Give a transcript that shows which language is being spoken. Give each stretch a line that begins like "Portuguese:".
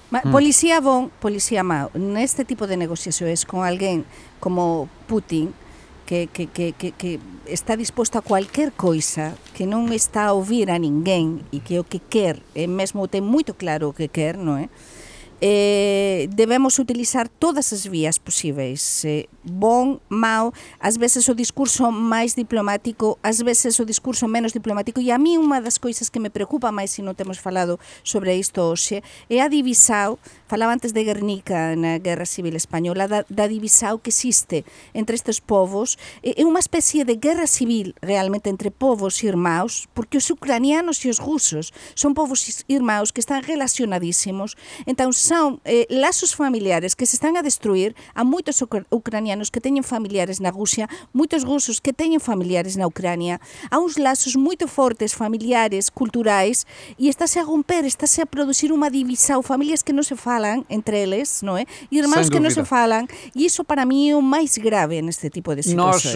Portuguese: Mas policia bom, policia mau, neste tipo de negociações com alguém como Putin, que está disposto a qualquer coisa, que não está a ouvir a ninguém e que o que quer, mesmo tem muito claro o que quer, não é?
Galician: Debemos utilizar todas as vías posíveis, bon, mau, ás veces o discurso máis diplomático, ás veces o discurso menos diplomático, e a mí unha das cousas que me preocupa máis, se non temos falado sobre isto hoxe, é a divisao, falaba antes de Guernica na Guerra Civil Española, da divisao que existe entre estes povos, é unha especie de guerra civil realmente entre povos irmãos, porque os ucranianos e os rusos son povos irmãos que están relacionadísimos, então são laços familiares que se están a destruir.
Portuguese: Há muitos ucranianos que têm familiares na Rússia, muitos russos que têm familiares na Ucrânia. Há uns laços muito fortes, familiares, culturais, e está-se a romper, está-se a produzir uma divisão, famílias que não se falam entre eles, não é? E irmãos que não se falam, e isso para mim é o mais grave neste tipo de situações.